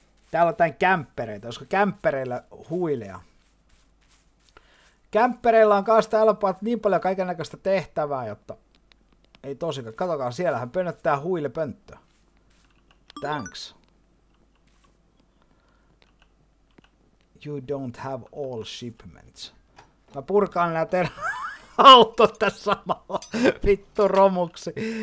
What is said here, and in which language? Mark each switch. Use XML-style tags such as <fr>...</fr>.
<fi>Täällä on jotain kämppereitä. Olisiko kämppereillä huilea? Kämppereillä on kanssa täällä niin paljon kaikennäköistä tehtävää, jotta... Ei tosikaan. Katokaa, siellähän pönnöttää huilepönttö.</fi> <en>Thanks. You don't have all shipments.</en> <fi>Mä purkaan nää auto tässä samalla vittu romuksi.</fi>